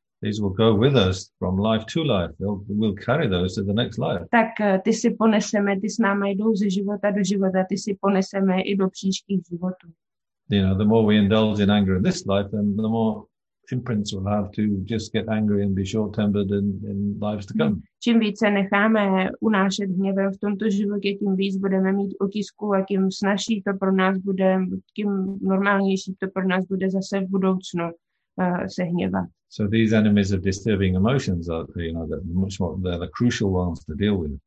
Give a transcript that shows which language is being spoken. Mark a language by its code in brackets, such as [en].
[en] These will go with us from life to life. We'll carry those to the next life. [cs] Tak ty si poneseme, ty s náma jdou ze života do života, ty si poneseme i do příštích životů. [en] You know, the more we indulge in anger in this life, then the more imprints we'll have to just get angry and be short-tempered in lives to come. [cs] Čím více necháme unášet hněvem v tomto životě, tím víc budeme mít otisku a tím snažší to pro nás bude, tím normálnější to pro nás bude zase v budoucnu se hněvat. [en] So these enemies of disturbing emotions are, you know, much more, they're the crucial ones to deal with.